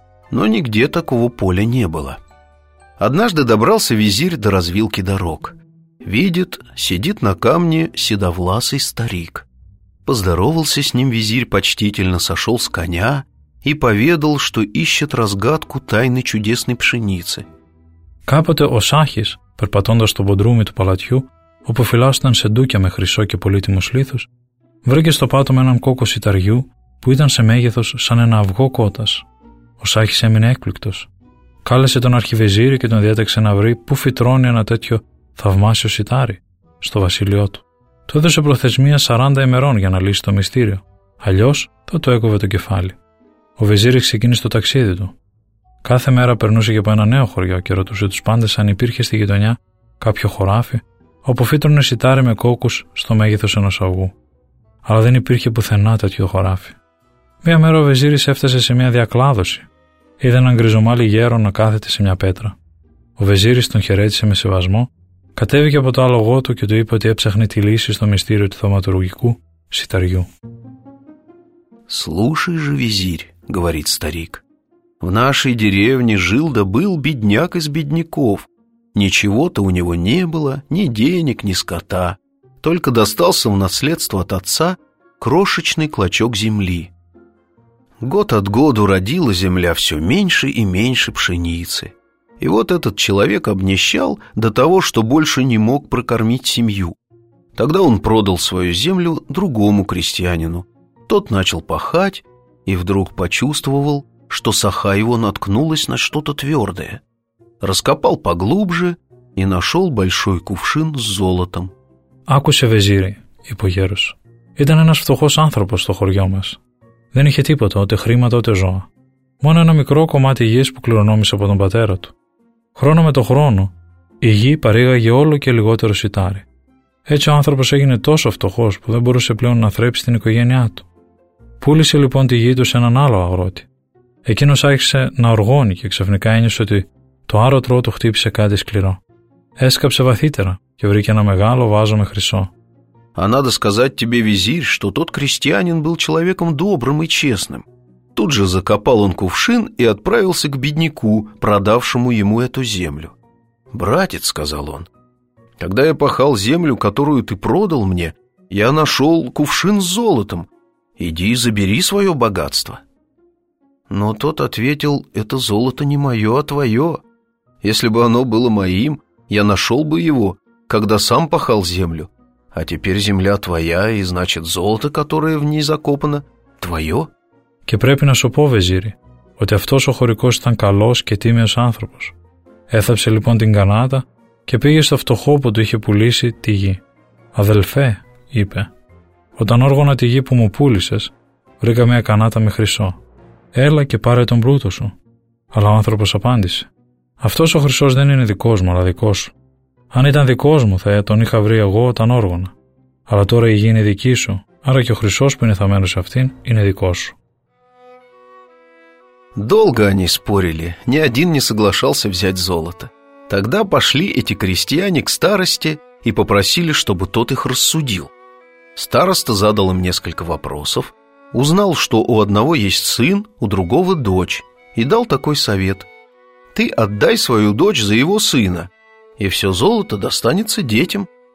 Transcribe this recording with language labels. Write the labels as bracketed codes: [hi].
[ru] Но нигде такого поля не было. Однажды добрался визирь до развилки дорог. Видит, сидит на камне седовласый старик. Поздоровался с ним визирь почтительно, сошел с коня и поведал, что ищет разгадку тайны чудесной пшеницы. [el] Κάποτε ο Σάχης, περπατώντας στο ποντρούμι του παλατιού, όπου φυλάσσονταν σεντούκια με χρυσό και πολύτιμους λίθους, βρήκε στο πάτωμα έναν κόκο σιταριού που ήταν σε μέγεθος σαν ένα αυγό κότας. Ο Σάχης έμεινε έκπληκτος. Κάλεσε τον αρχιβεζίρι και τον διέταξε να βρει πού φυτρώνει ένα τέτοιο θαυμάσιο σιτάρι, στο βασίλειό του. Του έδωσε προθεσμία 40 ημερών για να λύσει το μυστήριο. Αλλιώς θα το έκοβε το κεφάλι. Ο βεζίρι ξεκίνησε το ταξίδι του. Κάθε μέρα περνούσε και από ένα νέο χωριό και ρωτούσε τους πάντες αν υπήρχε στη γειτονιά κάποιο χωράφι όπου φύτρωνε σιτάρι με κόκκους στο μέγεθος ενός αυγού. Αλλά δεν υπήρχε πουθενά τέτοιο χωράφι. Μία μέρα ο Βεζίρης έφτασε σε μία διακλάδωση. Είδε έναν γκριζομάλι γέρο να κάθεται σε μία πέτρα. Ο Βεζίρης τον χαιρέτησε με σεβασμό, κατέβηκε από το άλογο του και του είπε ότι έψαχνε τη λύση στο μυστήριο του θαυματουργικού σιταριού. [ru] «Слушай же, визирь», — говорит старик, — «в нашей деревне жил-да был бедняк из бедняков. Ничего-то у него не было, ни денег, ни скота. Только достался в наследство от отца крошечный клочок земли. Год от году родила земля все меньше и меньше пшеницы. И вот этот человек обнищал до того, что больше не мог прокормить семью. Тогда он продал свою землю другому крестьянину. Тот начал пахать и вдруг почувствовал, что саха его наткнулась на что-то твердое. Раскопал поглубже и нашел большой кувшин с золотом». [el] «Άκουσε, Βεζίρι», είπε ο γέρος. «Ήταν ένας φτωχός άνθρωπος στο χωριό μας. Δεν είχε τίποτα, ούτε χρήματα, ούτε ζώα. Μόνο ένα μικρό κομμάτι γης που κληρονόμησε από τον πατέρα του. Χρόνο με το χρόνο, η γη παρήγαγε όλο και λιγότερο σιτάρι. Έτσι ο άνθρωπος έγινε τόσο φτωχός που δεν μπορούσε πλέον να θρέψει την οικογένειά του. Πούλησε λοιπόν τη γη του σε έναν άλλο αγρότη. Εκείνος άρχισε να οργώνει και ξαφνικά ένιωσε ότι το άρωτρό του χτύπησε κάτι σκληρό. Έσκαψε βαθύτερα και βρήκε ένα μεγάλο βάζο με χρυσό». [ru] «А надо сказать тебе, визирь, что тот крестьянин был человеком добрым и честным. Тут же закопал он кувшин и отправился к бедняку, продавшему ему эту землю. Братец, сказал он, когда я пахал землю, которую ты продал мне, я нашел кувшин с золотом. Иди и забери свое богатство. Но тот ответил, это золото не мое, а твое. Если бы оно было моим, я нашел бы его, когда сам пахал землю. А теперь земля твоя, и значит, золото, которое в ней закопано, твое». [el] «Και πρέπει να σου πω, Βεζίρι, ότι αυτός ο χωρικός ήταν καλός και τίμιος άνθρωπος. Έθαψε λοιπόν την κανάτα και πήγε στο φτωχό που του είχε πουλήσει τη γη. Αδελφέ», είπε, «όταν όργωνα τη γη που μου πούλησες, βρήκα μια κανάτα με χρυσό. Έλα και πάρε τον πλούτο σου». Αλλά ο άνθρωπος απάντησε, «αυτός ο χρυσός δεν είναι δικός μου, αλλά δικός σου. Αν ήταν δικός μου, θα τον είχα βρει εγώ όταν όργωνα. Αλλά τώρα η γη είναι δική σου, άρα και ο χρυσός που είναι θαμμένος σε αυτήν είναι δικός σου». [ru] Долго они спорили, ни один не соглашался взять золото. Тогда пошли эти крестьяне к старосте и попросили, чтобы тот их рассудил. Староста задал им несколько вопросов, узнал, что у одного есть сын, у другого дочь, и дал такой совет: «Ты отдай свою дочь за его сына, и все золото достанется детям».